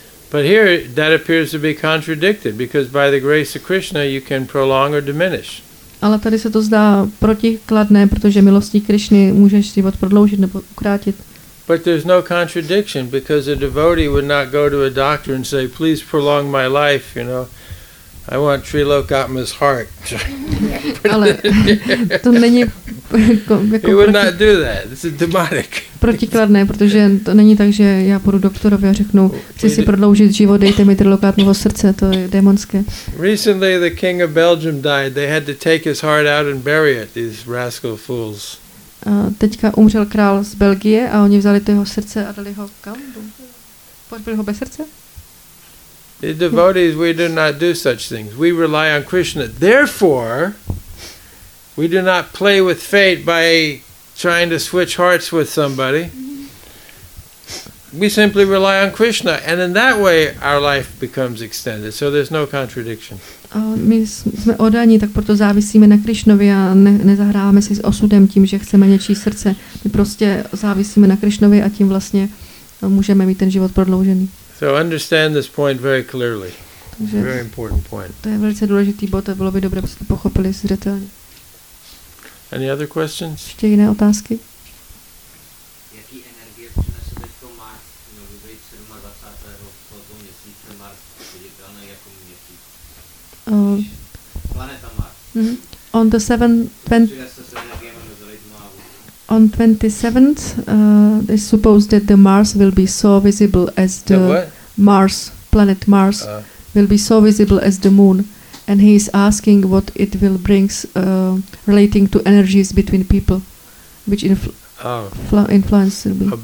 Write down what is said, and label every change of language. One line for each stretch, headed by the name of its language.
English: But here that appears to be contradicted because by the grace of Krishna you can prolong or diminish.
Czech: Ale tady se to zdá protikladné, protože milostí Krišny můžeš život prodloužit nebo ukrátit.
English: But there's no contradiction because a devotee would not go to a doctor and say please prolong my life, you know. I want Trilokatma's heart.
Czech: Ale to není
English: jako would not do that. This is demonic.
Czech: Protikladné, protože to není tak, že já půjdu doktorovi a řeknu, chci si prodloužit život, dejte mi Trilokatmovo srdce, to je démonské.
English: Recently the king of Belgium died. They had to take his heart out and bury it, these rascal fools.
Czech: A teďka umřel král z Belgie a oni vzali to jeho srdce a dali ho kam? Pořbili ho bez srdce?
English: The devotees, we do not do such things. We rely on Krishna. Therefore, we do not play with fate by trying to switch hearts with somebody. We simply rely on Krishna. And in that way, our life becomes extended. So there's no contradiction.
Czech: My jsme oddaní, tak proto závisíme na Krišnovi a nezahráváme si s osudem tím, že chceme něčí srdce. My prostě závisíme na Krišnovi a tím vlastně můžeme mít ten život prodloužený.
English: So understand this point very clearly. It's a very important point.
Czech: To je velice důležitý bod, a bylo by dobré, abyste pochopili zřetelně.
English: Any other questions?
Czech: Ještě jiné otázky? Jaký energie přinese teďko Mars? Měl by být 27. tohoto měsíce Mars viditelný jako měsíc. Planeta Mars. Mm-hmm.
English: On the 27th, they supposed that the Mars will be so visible as the Mars, planet Mars, will be so visible as the moon. And he is asking what it will bring relating to energies between people, which influence will be.